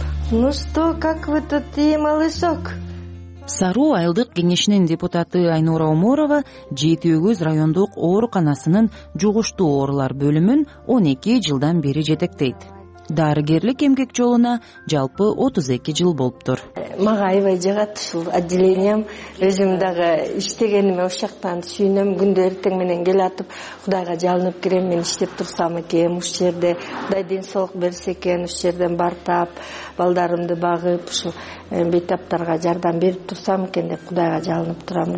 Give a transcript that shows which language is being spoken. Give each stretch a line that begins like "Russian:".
Russian: Ну что, как вы тут, и малышок?
Kyrgyz: Саруу айылдык кеңешинин депутаты Айнура Уморова Жети Өгүз райондук ооруканасынын жугуштуу оорулар бөлүмүн 12 жылдан бери жетектейт. Дарыгерлик эмгек жолуна жалпы 32 жыл болуптур. Мага аябай жагат ушул отделением. Өзүм дагы иштегениме ушактан сүйүнөм. Күндө эртең менен келе атып, Кудайга жалынып кирем, мен иштеп турсам экен, ушул жерде Кудай ден соолук берсе экен, ушул жерден бартап, балдарымды багып, ушул бейтаптарга жардам берип турсам экен деп Кудайга жалынып турам.